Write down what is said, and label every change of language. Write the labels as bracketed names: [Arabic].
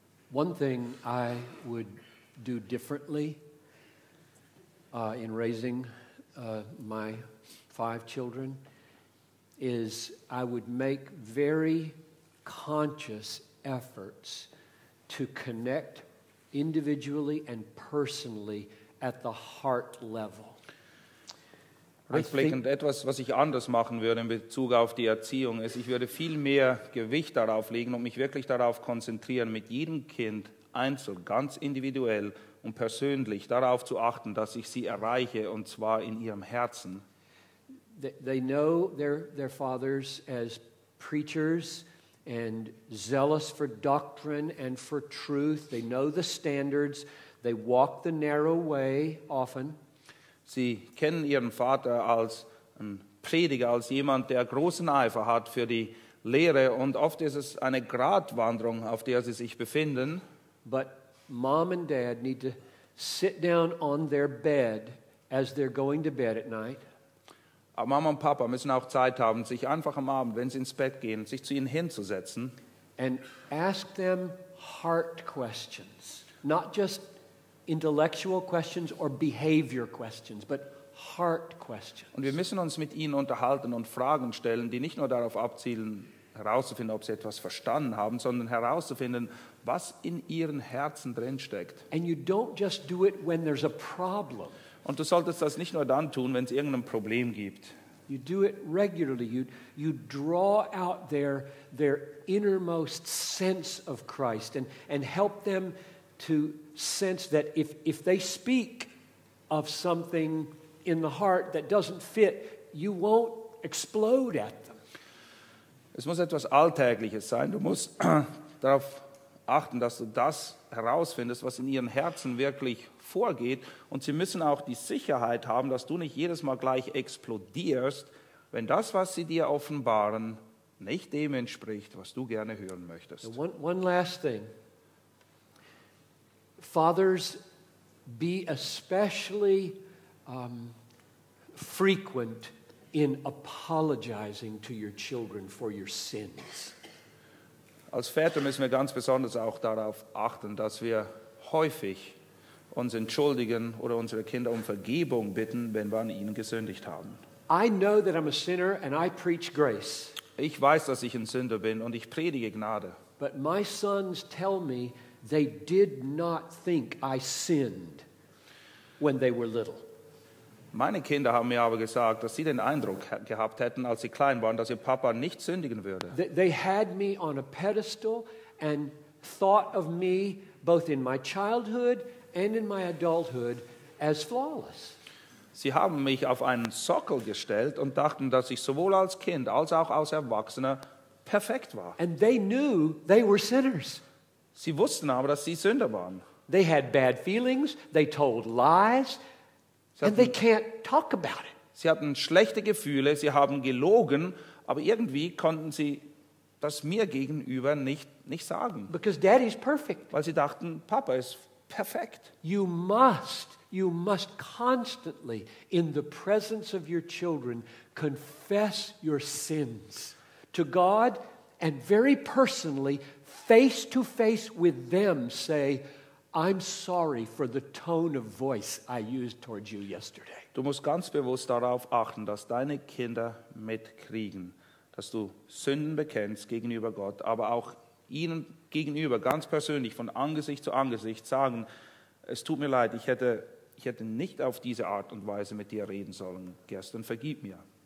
[English] One thing I would do differently in raising my five children is I would make very conscious efforts to connect individually and personally at the heart level. [German] Rückblickend, etwas, was ich anders machen würde in Bezug auf die Erziehung, ist, ich würde viel mehr Gewicht darauf legen und mich wirklich darauf konzentrieren, mit jedem Kind einzeln, ganz individuell und persönlich darauf zu achten, dass ich sie erreiche, und zwar in ihrem Herzen. [English] They know their fathers as preachers and zealous for doctrine and for truth. They know the standards. They walk the narrow way often. [German] Sie kennen ihren Vater als ein Prediger, als jemand, der großen Eifer hat für die Lehre, und oft ist es eine Gratwanderung, auf der sie sich befinden. [English] But Mom and Dad need to sit down on their bed as they're going to bed at night. [German] Aber Mama und Papa müssen auch Zeit haben, sich einfach am Abend, wenn sie ins Bett gehen, sich zu ihnen hinzusetzen. [English] And ask them heart questions, not just intellectual questions or behavior questions, but heart questions. [German] Und wir müssen uns mit ihnen unterhalten und Fragen stellen, die nicht nur darauf abzielen, herauszufinden, ob sie etwas verstanden haben, sondern herauszufinden, was in ihren Herzen drin steckt. [English] And you don't just do it when there's a problem. [German] Und du solltest das nicht nur dann tun, wenn es irgendein Problem gibt. [English] You do it regularly. You draw out their innermost sense of Christ and help them to sense that if they speak of something in the heart that doesn't fit, you won't explode at them. [German] Es muss etwas Alltägliches sein. Du musst darauf achten, dass du das herausfindest, was in ihren Herzen wirklich vorgeht. Und sie müssen auch die Sicherheit haben, dass du nicht jedes Mal gleich explodierst, wenn das, was sie dir offenbaren, nicht dem entspricht, was du gerne hören möchtest. [English] One last thing. Fathers, be especially frequent in apologizing to your children for your sins. [German] Als Väter müssen wir ganz besonders auch darauf achten, dass wir häufig uns entschuldigen oder unsere Kinder um Vergebung bitten, wenn wir an ihnen gesündigt haben. [English] I know that I'm a sinner and I preach grace. [German] Ich weiß, dass ich ein Sünder bin und ich predige Gnade. [English] But my sons tell me they did not think I sinned when they were little. [German] Meine Kinder haben mir aber gesagt, dass sie den Eindruck gehabt hätten, als sie klein waren, dass ihr Papa nicht sündigen würde. [English] They had me on a pedestal and thought of me both in my childhood and in my adulthood as flawless. [German] Sie haben mich auf einen Sockel gestellt und dachten, dass ich sowohl als Kind als auch als Erwachsener perfekt war. [English] And they knew they were sinners. [German] Sie wussten aber, dass sie Sünder waren. [English] They had bad feelings, they told lies. And they can't talk about it. [German] Sie hatten schlechte Gefühle, sie haben gelogen, aber irgendwie konnten sie das mir gegenüber nicht sagen. [English] Because Daddy's perfect. [German] Weil sie dachten, Papa ist perfekt. [English] You must constantly in the presence of your children confess your sins to God and very personally face to face with them say, I'm sorry for the tone of voice I used towards you yesterday. [German] Du musst ganz bewusst darauf achten, dass deine Kinder mitkriegen, dass du Sünden bekennst gegenüber Gott, aber auch ihnen gegenüber ganz persönlich von Angesicht zu Angesicht sagen, es tut mir leid, ich hätte nicht auf diese Art und Weise mit dir reden sollen gestern, vergib mir.